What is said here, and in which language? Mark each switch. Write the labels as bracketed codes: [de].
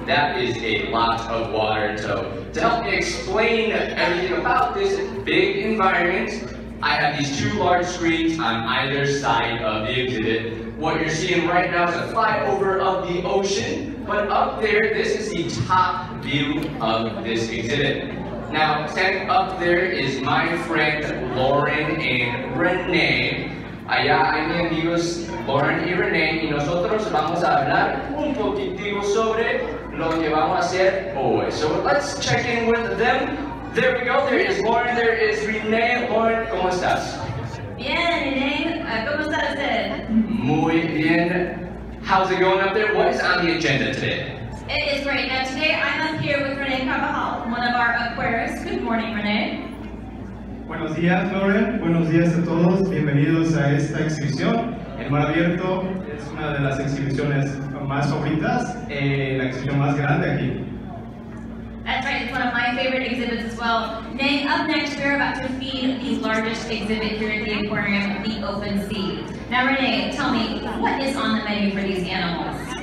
[en] That is a lot of water. So to help explain everything about this big environment, I have these two large screens on either side of the exhibit. What you're seeing right now is a flyover of the ocean, but up there, this is the top view of this exhibit. Now, standing up there is my friend Lauren and Renee. [es] Allá hay mis amigos Lauren y Renee, y nosotros vamos a hablar un poquitito sobre lo que vamos a hacer hoy. [en] So let's check in with them. There we go, there is Lauren, there is Renee. [es] Lauren, ¿cómo estás? Bien, Renee, ¿cómo estás? Muy bien. [en] How's it going up there? What is on the agenda today? It is great. Now today I'm up here with Renee Carvajal, one of our aquarists. Good morning, Renee. [es] Buenos días, Lauren. Buenos días a todos. Bienvenidos a esta exhibición. El Mar Abierto es una de las exhibiciones más favoritas, la exhibición más grande aquí. [en] That's right. It's one of my favorite exhibits as well. Renee, up next, we're about to feed the UP's largest exhibit here at the aquarium, the Open Sea. Now, Renee, tell me, what is on the menu for these animals?